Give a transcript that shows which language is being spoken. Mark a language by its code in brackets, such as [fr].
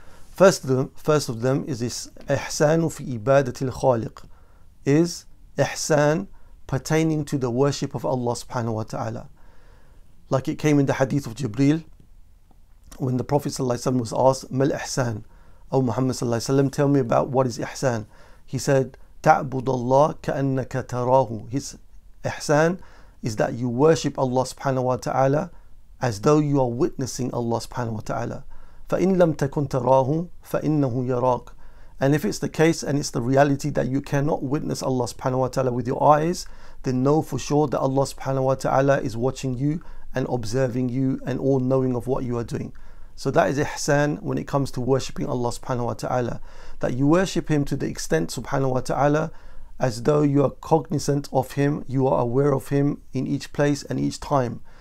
[en] First of them is this Ihsan fi ibadatil khaliq, is Ihsan pertaining to the worship of Allah subhanahu wa ta'ala. Like it came in the hadith of Jibreel, when the Prophet ﷺ was asked, Mal Ihsan? O Muhammad ﷺ, tell me about what is Ihsan. [ar] He said, تعبد الله كأنك تراه. [en] His ihsan is that you worship Allah subhanahu wa ta'ala as though you are witnessing Allah subhanahu wa ta'ala. [ar] فإن لم تكن تراه فإنه يراك. [en] And if it's the case and it's the reality that you cannot witness Allah subhanahu wa ta'ala with your eyes, then know for sure that Allah subhanahu wa ta'ala is watching you and observing you and all knowing of what you are doing. So that is ihsan when it comes to worshipping Allah subhanahu wa ta'ala. That you worship Him to the extent subhanahu wa ta'ala as though you are cognizant of Him, you are aware of Him in each place and each time.